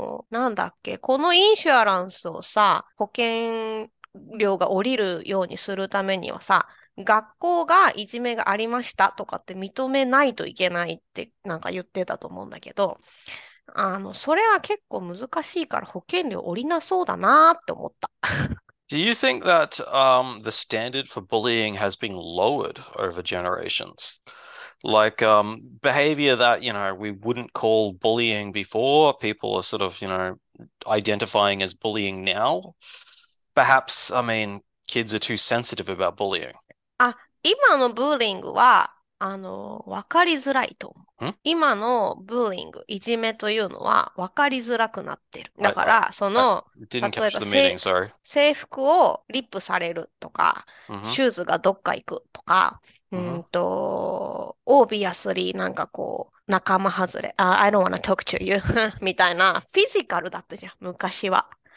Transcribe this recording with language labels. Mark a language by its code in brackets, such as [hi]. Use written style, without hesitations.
[ja] なんだっけ、このインシュアランスをさ、保険、量が降りるようにするためにはさ、学校がいじめがありましたとかって認めないといけないって言ってたと思うんだけど、それは結構難しいから保険料降りなそうだなって思った。 [en] Do you think that the standard for bullying has been lowered over generations? Like behavior that, we wouldn't call bullying before, people are sort of, identifying as bullying now. Perhaps, I mean, kids are too sensitive about bullying. [ja] あ、今のブーリングは、わかりづらいと思う。今のブーリング、いじめというのは、わかりづらくなってる。だから、 [en] Didn't [ja] 例え [en] catch [ja] ば、 [en] the meaning, sorry. [ja] 制服をリップされるとか、シューズがどっか行くとか、オービアスリーなんかこう、仲間外れ、 [en] I don't wanna talk to you [ja] みたいな、フィジカルだったじゃん、昔は。